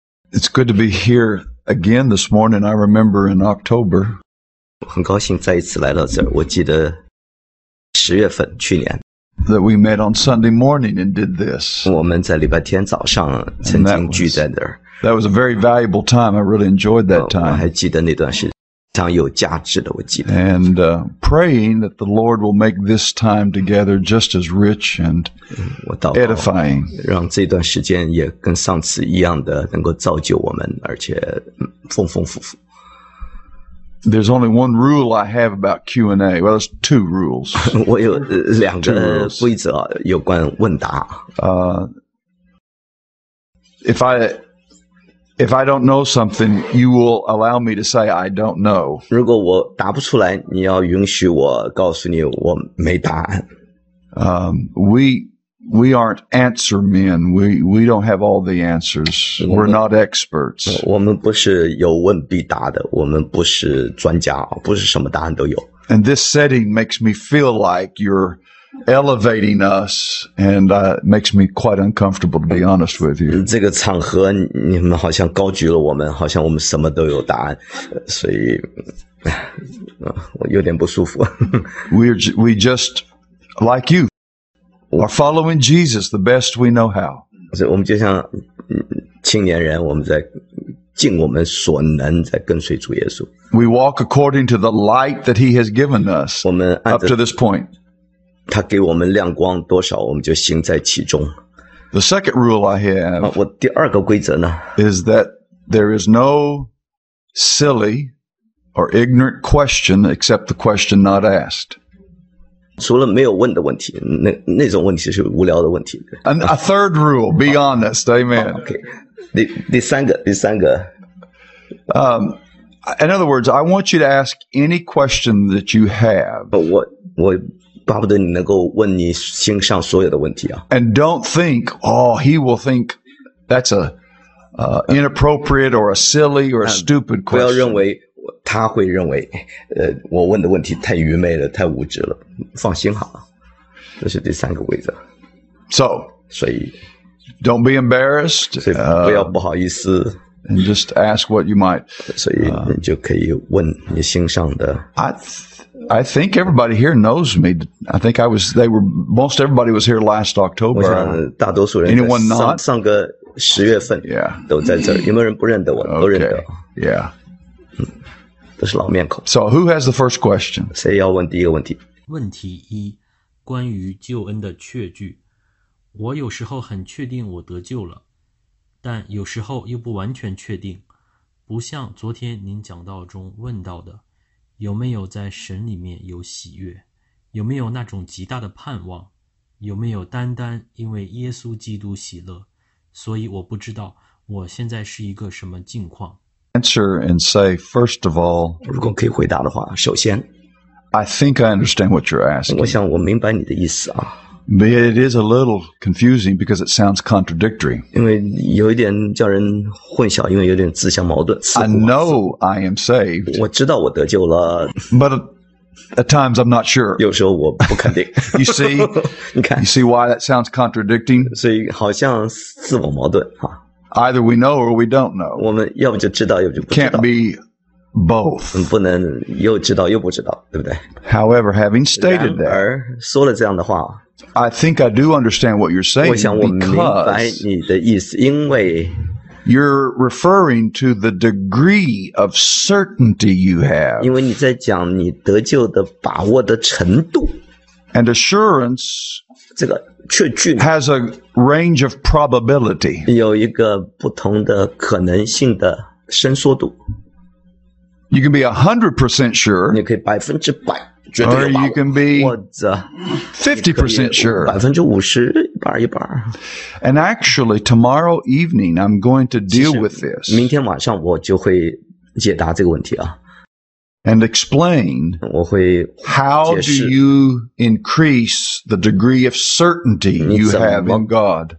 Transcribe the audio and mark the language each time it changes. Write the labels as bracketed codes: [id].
[en] It's good to be here again this morning. I remember in October. [zh] 很高兴再一次来到这儿。我记得十月份去年。 [en] That we met on Sunday morning and did this. [zh] 我们在礼拜天早上曾经聚在那儿。 [en] That was a very valuable time. I really enjoyed that time. [zh] 我还记得那段时间非常有价值的，我记得。 [en] And praying that the Lord will make this time together just as rich and edifying. [zh] 让这段时间也跟上次一样的能够造就我们，而且丰丰富富。 [en] There's only one rule I have about Q&A. Well, it's two rules. [zh] 我有两个规则有关问答。 [en] If I don't know something, you will allow me to say I don't know. [zh] 如果我答不出来，你要允许我告诉你我没答案。 [en] We aren't answer men. We don't have all the answers. We're not experts. [zh] 我们不是有问必答的，我们不是专家，不是什么答案都有。 [en] And this setting makes me feel like you're elevating us, and makes me quite uncomfortable, to be honest with you. [zh] 这个场合你们好像高举了我们，好像我们什么都有答案，所以我有点不舒服。 [en] We just like you. Are following Jesus the best we know how. [zh] 我们就像青年人，我们在尽我们所能在跟随主耶稣。 [en] We walk according to the light that He has given us. [zh] 我们按着 [en] up to this point. [zh] 他给我们亮光多少，我们就行在其中。 [en] The second rule I have. [zh] 我第二个规则呢 [en] ？Is that there is no silly or ignorant question except the question not asked. [zh] 除了没有问的问题，那种问题是无聊的问题。 [en] And a third rule, be honest, amen. [zh] Okay. 第三个。 [en] In other words, I want you to ask any question that you have. [zh] 我巴不得你能够问你心上所有的问题啊。 [en] And don't think, oh, he will think that's a inappropriate or a silly or a stupid question. [zh] 不要认为。他会认为，我问的问题太愚昧了，太无知了。放心好了，这是第三个规则。 [en] 所以 ，don't be embarrassed， [zh] 所以不要不好意思。 [en] And just ask what you might。 [zh] 所以你就可以问你心上的。 [en] I think everybody here knows me. I think I was. They were. Most everybody was here last October. [zh] 我想大多数人。 [en] Anyone not [zh] 上个十月份都在这儿？ [en] Yeah. [zh] 有没有人不认得我？ [en] Okay. [zh] 都认得。 [en] Yeah. [zh] 都是老面孔。 [en] So who has the first question? [zh] 谁要问第一个问题？问题一，关于救恩的确据。我有时候很确定我得救了，但有时候又不完全确定。不像昨天您讲道中问到的，有没有在神里面有喜悦？有没有那种极大的盼望？有没有单单因为耶稣基督喜乐？所以我不知道我现在是一个什么境况。 [en] Answer and say first of all. [zh] 如果可以回答的话，首先 [en] ，I think I understand what you're asking. [zh] 我想我明白你的意思啊。 [en] But it is a little confusing because it sounds contradictory. [zh] 因为有一点叫人混淆，因为有点自相矛盾。 [en] I know I am saved. [zh] 我知道我得救了。 [en] But at times I'm not sure. [zh] 有时候我不肯定。 [en] You see? [zh] 你看 [en] ？You see why that sounds contradicting? [zh] 所以好像自我矛盾啊。 [en] Either we know or we don't know. [zh] 我们要不就知道，要不就不知道。 [en] Can't be both. [zh] 不能又知道又不知道，对不对 [en] ？However, having stated that, [zh] 然而说了这样的话 [en] ，I think I do understand what you're saying. [zh] 我想我明白你的意思，因为 [en] you're referring to the degree of certainty you have. [zh] 因为你在讲你得救的把握的程度 [en] ，and assurance. [zh] 这个。确据 [en] has a range of probability. [zh] 有一个不同的可能性的伸缩度。 [en] You can be 100% sure. [zh] 你可以百分之百绝对有把握。 [en] Or you can be [zh] 或者 [en] 50% sure. [zh] 50%一半一半。 [en] And actually, tomorrow evening, I'm going to deal with this. [zh] 明天晚上我就会解答这个问题啊。 [en] And explain how do you increase the degree of certainty you have in God?